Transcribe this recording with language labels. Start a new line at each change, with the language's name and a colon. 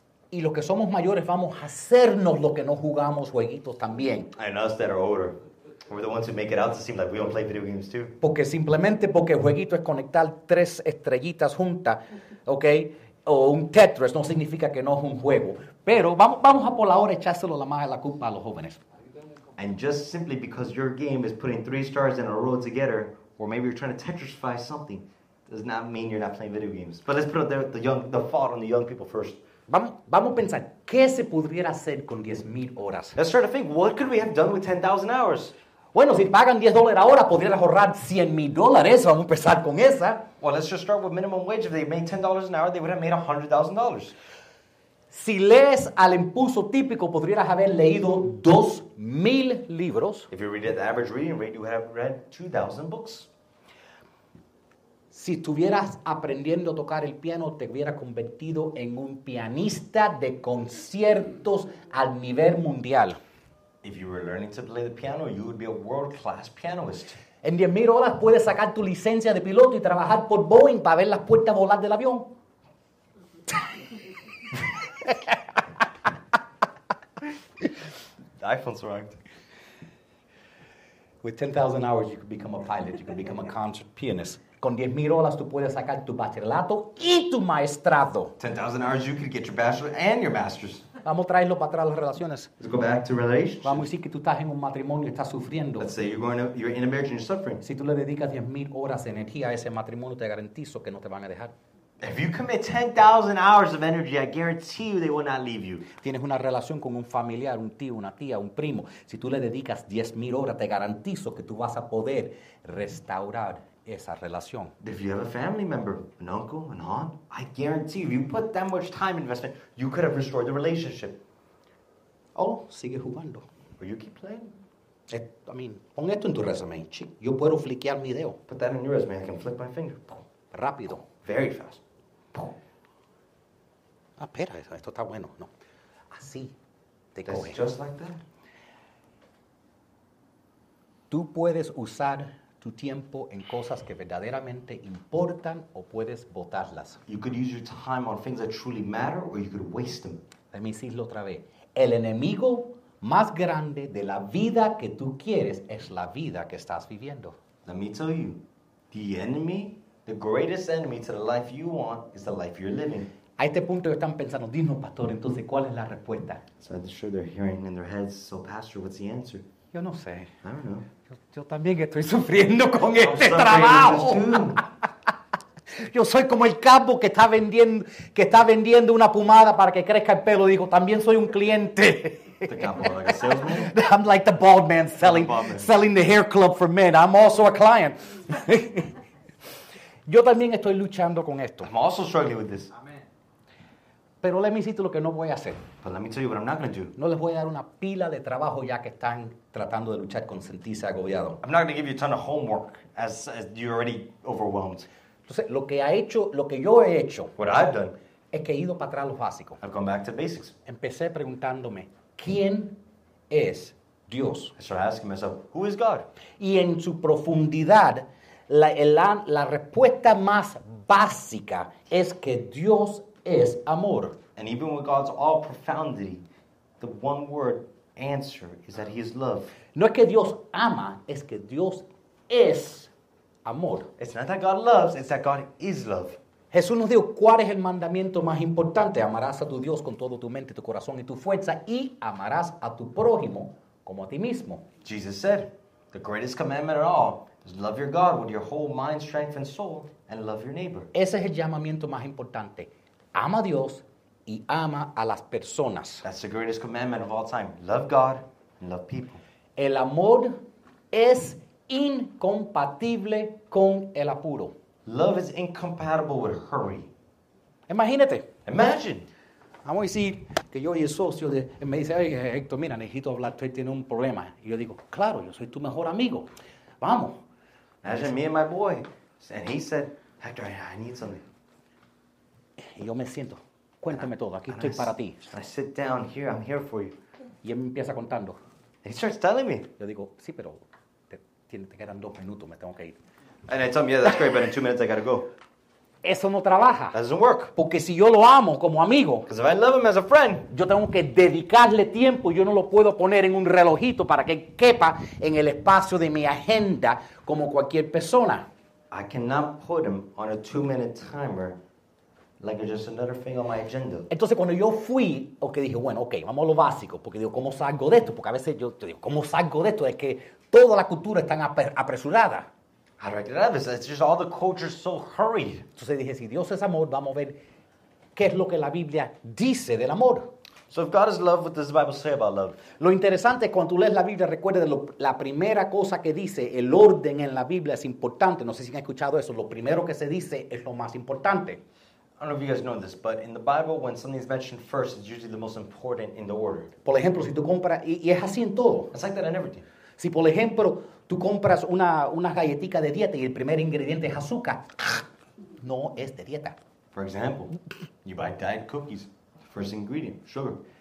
Spanish: Y los que somos mayores vamos a hacernos los que no jugamos jueguitos también.
English: And us that are older. We're the ones who make it out to seem like we don't play video games too.
Spanish: Porque simplemente porque el jueguito es conectar tres estrellitas juntas, okay? O un Tetris, no significa que no es un juego. Pero vamos a por la hora echárselo la más de la culpa a los jóvenes.
English: And just simply because your game is putting three stars in a row together, or maybe you're trying to Tetrify something, does not mean you're not playing video games. But let's put the fault on the young people first.
Spanish: Vamos a pensar, ¿qué se pudiera hacer con 10,000 horas?
English: Let's try to think, what could we have done with 10,000 hours?
Spanish: Bueno, si pagan $10 ahora, podrías ahorrar $100,000. Vamos a empezar con esa.
English: Well, let's just start with minimum wage. If they made $10 an hour, they would have made $100,000.
Spanish: Si lees al impulso típico, podrías haber leído 2,000 libros.
English: If you read at the average reading rate, you would have read 2,000 books.
Spanish: Si estuvieras aprendiendo a tocar el piano, te hubieras convertido en un pianista de conciertos al nivel mundial.
English: If you were learning to play the piano, you would be a world-class pianist.
Spanish: En 10,000 horas puedes sacar tu licencia de piloto y trabajar por Boeing para ver las puertas volar del avión.
English: The iPhone's rocked. With 10,000 hours, you could become a pilot. You could become a concert pianist.
Spanish: Con 10,000 horas, tú puedes sacar tu bachillerato y tu maestrado.
English: 10,000 hours, you could get your bachelor and your master's.
Spanish: Vamos a traerlo para atrás las relaciones.
English: Let's go back to relationships.
Spanish: Vamos a decir que tú estás en un matrimonio y estás sufriendo.
English: Let's say you're in a marriage and you're suffering.
Spanish: Si tú le dedicas 10,000 horas de energía a ese matrimonio, te garantizo que no te van a dejar.
English: If you commit 10,000 hours of energy, I guarantee you they will not leave you.
Spanish: Tienes una relación con un familiar, un tío, una tía, un primo. Si tú le dedicas 10,000 horas, te garantizo que tú vas a poder restaurar esa relación.
English: If you have a family member, an uncle, an aunt, I guarantee if you put that much time investment, you could have restored the relationship.
Spanish: Oh, sigue jugando.
English: Or you keep playing.
Spanish: Pon esto en tu resume, chico. Yo puedo fliquear mi dedo.
English: Put that in your resume. I can flip my finger.
Spanish: Rápido.
English: Very fast.
Spanish: Ah, espera, esto está bueno. No. Así te coge.
English: That's just like that.
Spanish: Tú puedes usar tu tiempo en cosas que verdaderamente importan o puedes botarlas.
English: You could use your time on things that truly matter or you could waste them. Let me
Spanish: decirlo otra vez. El enemigo más grande de la vida que tú quieres es la vida que estás viviendo.
English: Let me tell you. The greatest enemy to the life you want is the life you're living.
Spanish: A este punto están pensando, dinos, pastor, entonces, ¿cuál es la respuesta?
English: So I'm sure they're hearing in their heads, so pastor, what's the answer?
Spanish: Yo no sé.
English: I don't know.
Spanish: Yo también estoy sufriendo con este trabajo. Yo soy como el capo que está vendiendo una pomada para que crezca el pelo. Digo, también soy un cliente.
English: The capo, like a salesman? I'm like the bald man selling the hair club for men. I'm also a client.
Spanish: Yo también estoy luchando con esto.
English: I'm also struggling with this.
Spanish: Pero
English: let me
Spanish: decirte lo que no voy a hacer.
English: But let me tell you what I'm not going to do.
Spanish: No les voy a dar una pila de trabajo ya que están tratando de luchar con sentirse agobiado.
English: I'm not going to give you a ton of homework as you're already overwhelmed.
Spanish: Entonces, lo que ha hecho, lo que yo he hecho,
English: what I've done,
Spanish: es que he ido para atrás los básicos.
English: I've gone back to basics.
Spanish: Empecé preguntándome, ¿quién es Dios?
English: I started asking myself, who is God?
Spanish: Y en su profundidad, la respuesta más básica es que Dios es amor.
English: And even with God's all profundity, the one word answer is that he is love.
Spanish: No es que Dios ama, es que Dios es amor.
English: It's not that God loves, it's that God is love.
Spanish: Jesús nos dijo, ¿cuál es el mandamiento más importante? Amarás a tu Dios con todo tu mente, tu corazón y tu fuerza, y amarás a tu prójimo como a ti mismo.
English: Jesus said, the greatest commandment of all is love your God with your whole mind, strength, and soul, and love your neighbor.
Spanish: Ese es el llamamiento más importante. Ama a Dios y ama a las personas.
English: That's the greatest commandment of all time. Love God and love people.
Spanish: El amor es incompatible con el apuro.
English: Love is incompatible with hurry.
Spanish: Imagínate.
English: Imagine.
Spanish: Vamos a decir que yo y el socio me dice, oye, Héctor, mira, necesito hablar, tú tienes un problema. Y yo digo, claro, yo soy tu mejor amigo. Vamos.
English: Imagine me and my boy. And he said, Héctor, I need something.
Spanish: Y yo me siento, cuéntame todo, aquí estoy para ti.
English: I sit down here, I'm here for you.
Spanish: Y él me empieza contando.
English: He starts telling me.
Spanish: Yo digo, sí, pero te quedan dos minutos, me tengo que ir.
English: And I tell him, yeah, that's great, but in 2 minutes I gotta go.
Spanish: Eso no trabaja.
English: That doesn't work.
Spanish: Porque si yo lo amo como amigo.
English: Because if I love him as a friend.
Spanish: Yo tengo que dedicarle tiempo. Yo no lo puedo poner en un relojito para que quepa en el espacio de mi agenda como cualquier persona.
English: I cannot put him on a 2 minute timer like it's just another thing on my agenda.
Spanish: Entonces cuando yo fui, okay, dije, bueno, okay, vamos a lo básico. Porque digo, ¿cómo salgo de esto? Porque a veces yo te digo, ¿cómo salgo de esto? Es que toda la cultura está apresurada.
English: How do I get out of this? It's just all the culture so hurried.
Spanish: Entonces dije, si Dios es amor, vamos a ver qué es lo que la Biblia dice del amor.
English: So if God is love, what does the Bible say about love?
Spanish: Lo interesante es cuando tú lees la Biblia, recuerda la primera cosa que dice, el orden en la Biblia es importante. No sé si han escuchado eso. Lo primero que se dice es lo más importante.
English: I don't know if you guys know this, but in the Bible, when something is mentioned first, it's usually the most important in the order.
Spanish: Por ejemplo, si tú compras, y es así en todo.
English: It's like that in everything.
Spanish: Si, por ejemplo, tú compras una galletita de dieta y el primer ingrediente es azúcar, no es de dieta.
English: For example, you buy diet cookies, first ingredient, sugar.